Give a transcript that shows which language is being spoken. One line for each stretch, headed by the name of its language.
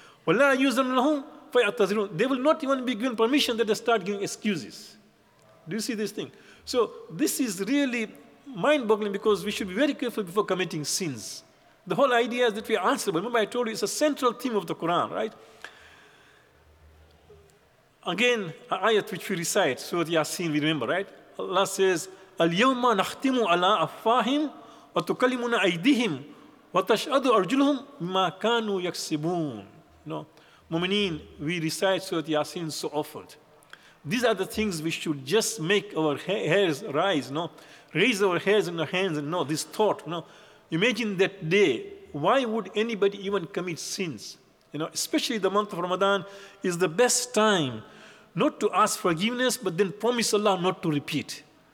Arabic: وَلَا يُزَنُ لَهُمْ فَيَعْتَذِرُونَ
English: They will not even be given permission that they start giving excuses. Do you see this thing? So this is really mind-boggling, because we should be very careful before committing sins. The whole idea is that we are answerable. Remember I told you, it's a central theme of the Quran, right? Again, an ayat which we recite, Surah Yasin, we remember, right? Allah says,
Arabic: الْيَوْمَ نَخْتِمُ عَلَىٰ أَفْوَاهِمْ وَتُكَلِّمُنَا أَيْدِهِمْ وَتَشْهَدُ أَرْجُلُهُمْ مَا كَانُوا يَكْسِبُونَ
English: No, Mumineen, we recite Surah Yasin so often. These are the things which should just make our hairs rise, no? Raise our hairs in our hands and know this thought, no? Imagine that day. Why would anybody even commit sins? You know, especially the month of Ramadan is the best time not to ask forgiveness, but then promise Allah not to repeat.